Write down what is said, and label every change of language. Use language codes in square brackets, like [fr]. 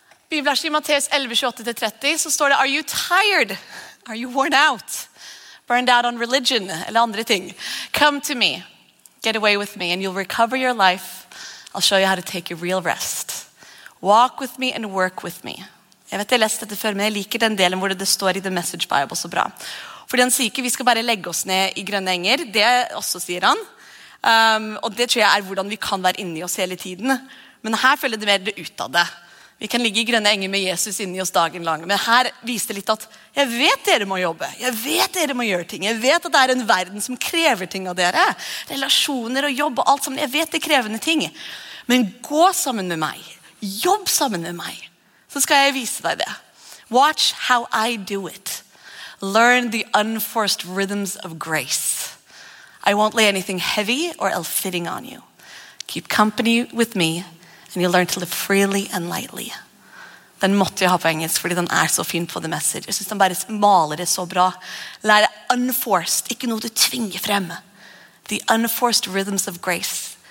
[no] Bibelen I Matteus 11:28-30, så står det, [en] «Are you tired? Are you worn out?» Burned out on religion, [no] eller andre ting. [en] Come to me, get away with me, and you'll recover your life. I'll show you how to take a real rest. Walk with me and work with me. [no] Jeg vet jeg leste dette før, men jeg liker den delen hvor det står I The Message Bible så bra. Fordi han sier ikke vi skal bare legge oss ned I grønne enger, det også sier han. Og det tror jeg hvordan vi kan være inne I oss hele tiden. Men her føler det mer det ut av det. Vi kan ligge I grønne enger med Jesus inne I oss dagen lang, men her viser det litt at jeg vet dere må jobbe, jeg vet dere må gjøre ting, jeg vet at det en verden som krever ting av dere, relasjoner og jobb og alt sammen, jeg vet det krevende ting. Men gå sammen med meg, jobb sammen med meg, så skal jeg vise deg det. [en] Watch how I do it. Learn the unforced rhythms of grace. I won't lay anything heavy or ill-fitting on you. Keep company with me. And you learn to live freely and lightly. [no] Den måtte jeg ha på engelsk, fordi den så fin på The Message. Jeg synes den bare maler det så bra. Lær det unforced, ikke noe du tvinger frem. [en] The unforced rhythms of grace.